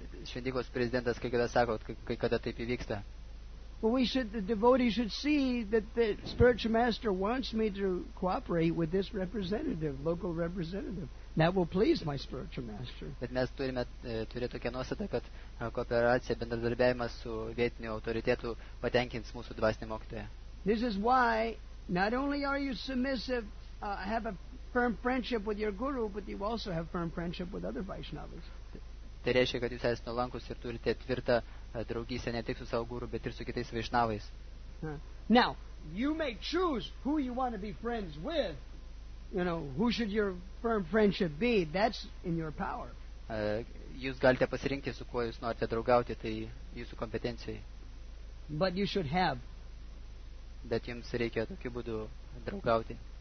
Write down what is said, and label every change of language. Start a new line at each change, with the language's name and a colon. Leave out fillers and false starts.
Lithuanian: Šventyklos prezidentas kai kada sako, kai kada taip įvyksta.
English: Well, the devotee should see that the spiritual master wants me to cooperate with this representative, local representative. That will please my spiritual master.
Lithuanian: Bet mes turime turėti tokią nuostatą, kad kooperacija, bendradarbiavimas su vietiniu autoritetu patenkins mūsų dvasinį mokytoją.
English: This is why not only are you submissive, have a firm friendship with your guru, but you also have firm friendship with other Vaishnavas.
Lithuanian: Tai reiškia, kad jūs esate nuolankus ir turite tvirtą draugystę ne tik su savo guru, bet ir su kitais vaišnavais.
English: Now, you may choose who you want to be friends with. You know, who should your firm friendship be? That's in your power.
Lithuanian: Jūs galite pasirinkti, su kuo jūs norite draugauti, tai jūsų kompetencijai.
English: But you should have.
Lithuanian: Bet jums reikia tokiu būdu draugauti.